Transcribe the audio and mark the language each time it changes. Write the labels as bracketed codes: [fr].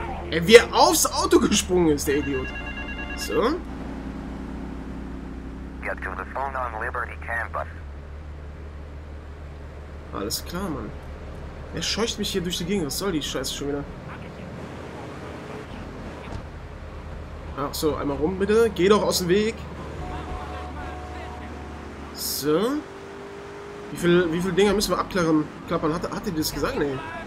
[de] Ey, wie er aufs Auto gesprungen ist, der Idiot. So. [en] Get to the phone on Liberty Campus. [de] Alles klar, Mann. Er scheucht mich hier durch die Gegend. Was soll die Scheiße schon wieder? Ach so, einmal rum bitte. Geh doch aus dem Weg. So. Wie viel Dinger müssen wir abklappern? Hat die das gesagt? Nee.